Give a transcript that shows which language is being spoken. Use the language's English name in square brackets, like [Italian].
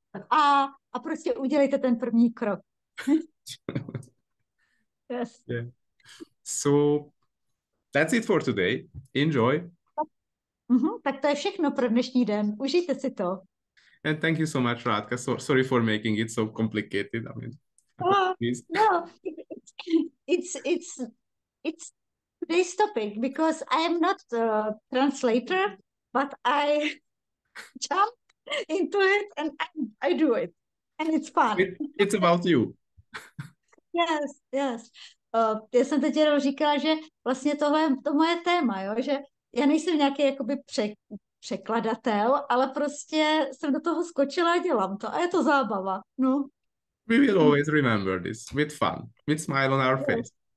[Czech] A prostě udělejte ten první krok. [English] Yes. Yeah. So that's it for today. Enjoy. [Czech] Tak to je všechno pro dnešní den. Užijte si to. [English] And thank you so much, Radka. So, sorry for making it so complicated. I mean, no, it's today's topic because I am not a translator, but I jump into it and I do it. And it's fun. It's about you. Yes, yes. [Czech] Já jsem teď jenom říkala, že vlastně tohle je to moje téma, jo? Že já nejsem nějaký jakoby překladatel, ale prostě jsem do toho skočila a dělám to. A je to zábava. No. [English] We will always remember this with fun, with smile on our face.